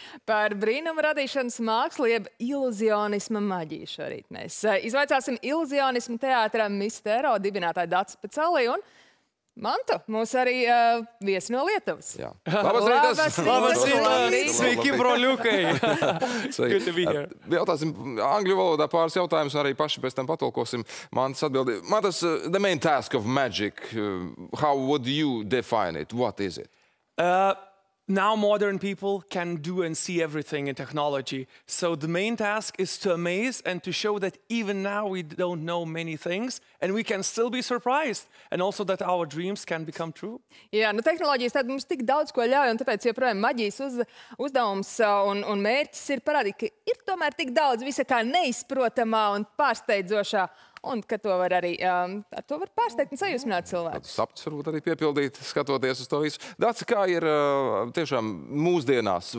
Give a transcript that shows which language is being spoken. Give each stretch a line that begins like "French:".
Latvian: Par brīnumu radīšanas mākslu jeb iluzionisma maģiju šorīt mēs izvaicāsim iluzionismu teātrā Mistero dibinātāju Dacu Pecali un Mantu, mūs arī viesi no Lietuvas. Jā.
Lithuanian: Labas rītas! Labas rītas! Sveiki, broļukai!
English: Good to be here.
Latvian: Jautāsim angļu valodā pāris jautājumus, arī paši pēc tam patolkosim. Mantas atbildi.
English: Mantas, the main task of magic, how would you define it? What is it? Now modern people can do and see everything in technology. So the main task is to amaze and to show that even now we don't know many things and we can still be surprised and also that our dreams can become true.
Latvian: Jā, nu tehnoloģijas tad mums tik daudz ko ļauj un tāpēc joprojām maģijas uzdevums un mērķis ir parādīt, ka ir tomēr tik daudz visa kā neizprotamā un pārsteidzošā. Un ka to var arī to var pārsteigt un sajūsmināt cilvēku. Tad sapts varbūt arī piepildīt, skatoties uz to visu. Dace, kā ir tiešām mūsdienās?